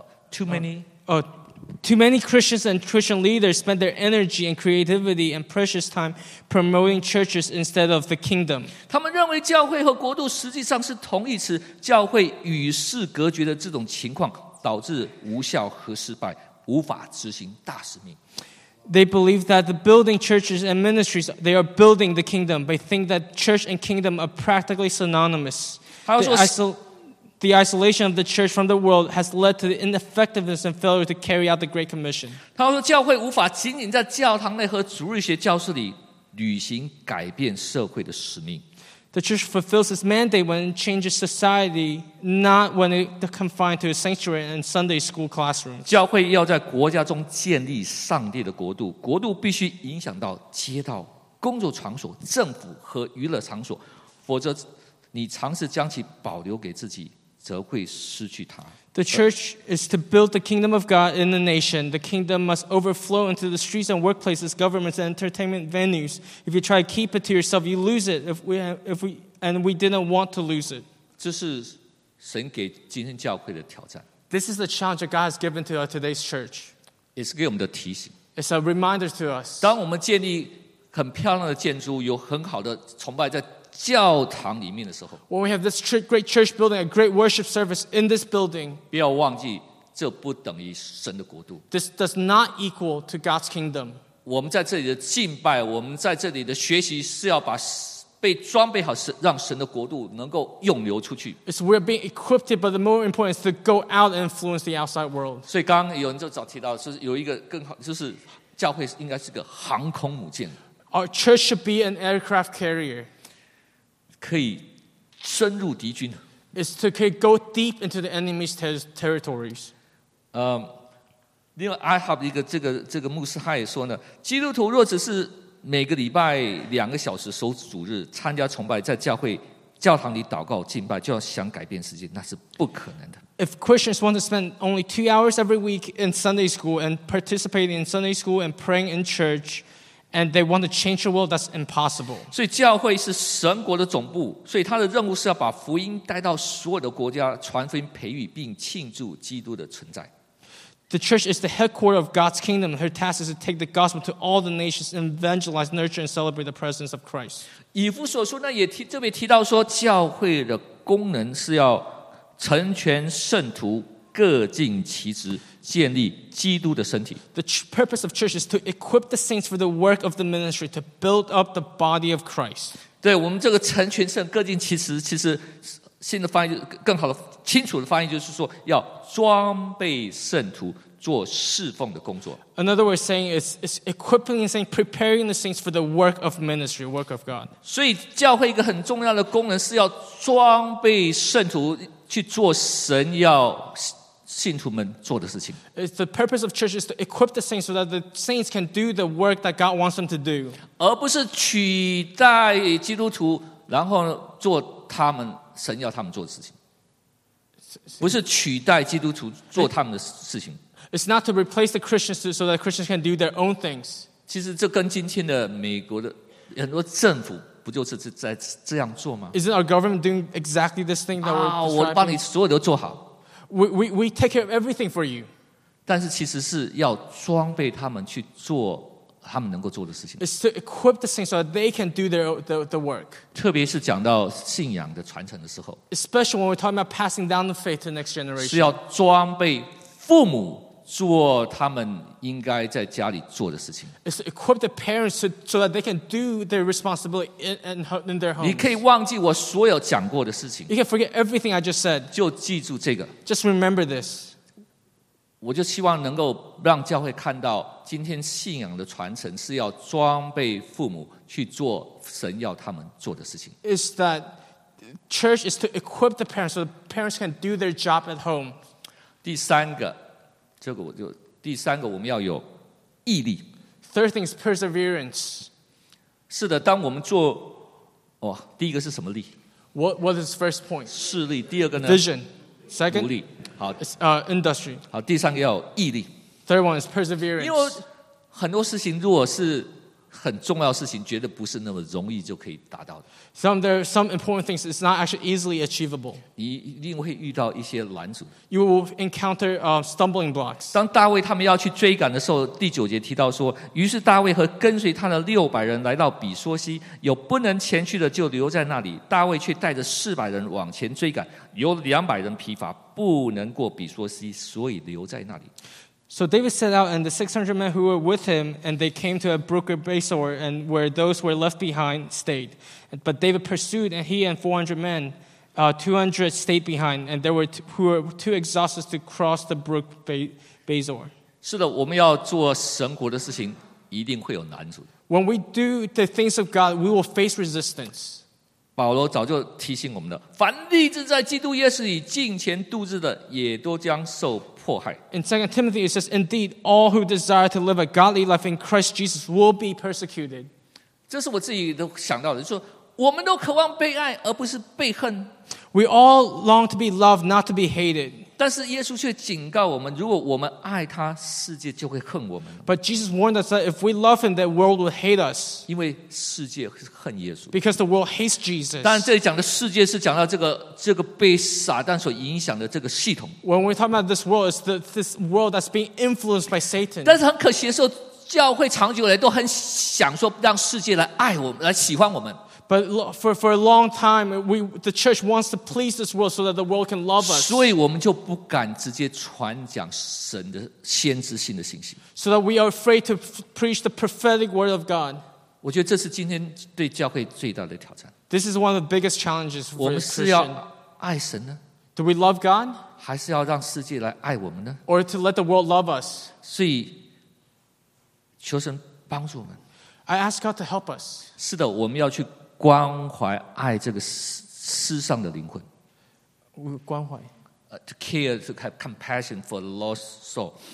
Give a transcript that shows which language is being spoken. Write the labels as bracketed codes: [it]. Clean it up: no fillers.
[en] Too many Christians and Christian leaders spend their energy and creativity and precious time promoting churches instead of the kingdom. [zh] 他们认为教会和国度实际上是同义词，教会与世隔绝的这种情况导致无效和失败，无法执行大使命。 [en] They believe that the building churches and ministries, they are building the kingdom. They think that church and kingdom are practically synonymous. The isolation of the church from the world has led to the ineffectiveness and failure to carry out the Great Commission. [zh] 他说教会无法仅仅在教堂内和主日学教室里履行改变社会的使命。 [en] The church fulfills its mandate when it changes society, not when it is confined to a sanctuary and Sunday school classroom. [zh] 教会要在国家中建立上帝的国度，国度必须影响到街道、工作场所、政府和娱乐场所，否则你尝试将其保留给自己，则会失去它。 [en] The church is to build the kingdom of God in the nation. The kingdom must overflow into the streets and workplaces, governments and entertainment venues. If you try to keep it to yourself, you lose it. If we didn't want to lose it. [zh] 这是神给今天教会的挑战。 [en] This is the challenge that God has given to today's church. It's [zh] 给我们的提醒。 [en] It's a reminder to us. [zh] 当我们建立很漂亮的建筑，有很好的崇拜在教堂里面的时候， [en] when we have this great church building, a great worship service in this building, [zh] 不要忘记，这不等于神的国度。 [en] This does not equal to God's kingdom. [zh] 我们在这里的敬拜，我们在这里的学习，是要把被装备好，让神的国度能够涌流出去。 [en] It's we're being equipped, but the more important is to go out and influence the outside world. [zh] 所以刚刚有人就早提到，是有一个更好，就是教会应该是个航空母舰。 [en] Our church should be an aircraft carrier. [zh] 可以深入敌军， [en] is to go deep into the enemy's territories. [zh] 另外 IHOP 一个这个牧师他也说呢，基督徒若只是每个礼拜两个小时守主日参加崇拜，在教会教堂里祷告敬拜，就要想改变世界，那是不可能的。 [en] If Christians want to spend only 2 hours every week in Sunday school and participate in Sunday school and praying in church. And they want to change the world. That's impossible. [zh] 所以教会是神国的总部，所以他的任务是要把福音带到所有的国家，传福音、培育并庆祝基督的存在。 [en] The church is the headquarters of God's kingdom. Her task is to take the gospel to all the nations, evangelize, nurture, and celebrate the presence of Christ. [zh] 以弗所书呢也特别提到说，教会的功能是要成全圣徒，各尽其职。建立基督的身体。 [en] The purpose of church is to equip the saints for the work of the ministry, to build up the body of Christ. [zh] 对，我们这个成全圣，各尽其职，其实新的翻译，更好的、清楚的翻译就是说，要装备圣徒做侍奉的工作。 [en] Another way of saying is equipping the saints, preparing the saints for the work of ministry, work of God. [zh] 所以教会一个很重要的功能是要装备圣徒去做神要信徒们做的事情。 [en] The purpose of church is to equip the saints so that the saints can do the work that God wants them to do. [zh] 而不是取代基督徒，然后做他们神要他们做的事情。不是取代基督徒做他们的事情。 [en] It's not to replace the Christians so that Christians can do their own things. [zh] 其实这跟今天的美国的很多政府不就是在这样做吗？ [en] Isn't our government doing exactly this thing that we're describing? [zh] 我帮你所有都做好。 [en] We take care of everything for you. [zh] 但是其实是要装备他们去做他们能够做的事情。 [en] It's to equip the saints so that they can do the work. [zh] 特别是讲到信仰的传承的时候。 [en] Especially when we're talking about passing down the faith to the next generation. [zh] 是要装备父母做他们应该在家里做的事情。 [en] It's to equip the parents so that they can do their responsibility in their homes. [zh] 你可以忘记我所有讲过的事情。 [en] You can forget everything I just said. [zh] 就记住这个。 [en] Just remember this. [zh] 我就希望能够让教会看到今天信仰的传承是要装备父母去做神要他们做的事情。 [en] Is that church is to equip the parents so the parents can do their job at home. [zh] 第三个这个、我就第三个我们要有毅力 [en] Third thing is perseverance [zh] 是的当我们做、哦、第一个是什么力 [en] What is the first point? [zh] 势力第二个呢 [en] Vision Second [zh] 努力好 [en] it's, Industry [zh] 好第三个要毅力 [en] Third one is perseverance [zh] 因为很多事情如果是很重要的事情绝对不是那么容易就可以达到的 [en] some important things is not actually easily achievable [zh] 你一定会遇到一些拦阻 [en] You will encounter stumbling blocks [zh] 当大卫他们要去追赶的时候第九节提到说于是大卫和跟随他的六百人来到比索西有不能前去的就留在那里大卫却带着四百人往前追赶有两百人疲乏不能过比索西所以留在那里 [en] So David set out, and the 600 men who were with him, and they came to a brook of Besor, and where those were left behind stayed. But David pursued, and he and 400 men, 200 stayed behind, and there were who were too exhausted to cross the brook Besor. [zh] 是的，我们要做神国的事情，一定会有难阻。 [en] When we do the things of God, we will face resistance. [zh] 保罗早就提醒我们了，凡立志在基督耶稣里敬虔度日的，也都将受。 [en] In 2 Timothy, it says, Indeed, all who desire to live a godly life in Christ Jesus will be persecuted. [zh] 这是我自己都想到的，就是说，我们都渴望被爱，而不是被恨。 [en] We all long to be loved, not to be hated. [zh] 但是耶稣却警告我们，如果我们爱他，世界就会恨我们。 [en] But Jesus warned us that if we love him, the world will hate us. [zh] 因为世界恨耶稣。 [en] Because the world hates Jesus. [zh] 当然这里讲的世界是讲到这个被撒旦所影响的这个系统。 [en] When we're talking about this world, it's this world that's being influenced by Satan. [zh] 但是很可惜的是，教会长久来都很想说让世界来爱我们，来喜欢我们。 [en] But for a long time, the church wants to please this world so that the world can love us. [zh] 所以我们就不敢直接传讲神的先知性的信息。 [en] So that we are afraid to preach the prophetic word of God. [zh] 我觉得这是今天对教会最大的挑战。 [en] This is one of the biggest challenges for the Christian. [zh] 我们是要爱神呢？ [en] Do we love God? [zh] 还是要让世界来爱我们呢？ [en] Or to let the world love us? [zh] 所以求神帮助我们。 [en] I ask God to help us. [zh] 是的，我们要去。关怀爱这个世上的灵魂，关怀。 [en] To care, to have compassion for the lost soul.